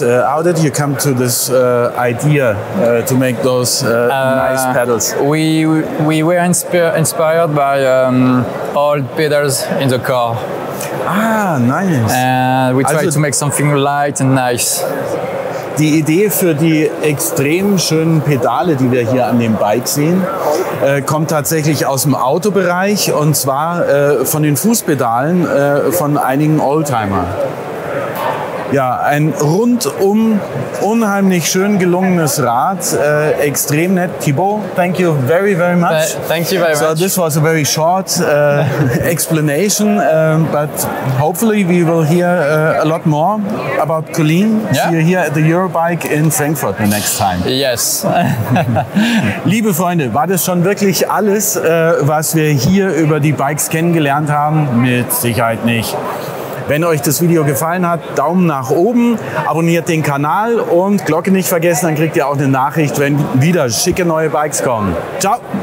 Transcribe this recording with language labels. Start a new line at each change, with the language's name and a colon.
English: How did you come to this idea to make those nice pedals? We were inspired by old pedals in the car. Ah, nice. And we try to make something light and nice.
German: Die Idee für die extrem schönen Pedale, die wir hier an dem Bike sehen, kommt tatsächlich aus dem Autobereich und zwar von den Fußpedalen von einigen Oldtimer. Ja, ein rundum unheimlich schön gelungenes Rad, extrem nett.
English: Thibaut, thank you very, very much. Thank you very much. So this was a very short explanation, but hopefully we will hear a lot more about Colleen. Yeah. See you here at the Eurobike in Frankfurt the next time. Yes.
German: Liebe Freunde, war das schon wirklich alles, was wir hier über die Bikes kennengelernt haben? Mit Sicherheit nicht. Wenn euch das Video gefallen hat, Daumen nach oben, abonniert den Kanal und Glocke nicht vergessen, dann kriegt ihr auch eine Nachricht, wenn wieder schicke neue Bikes kommen. Ciao!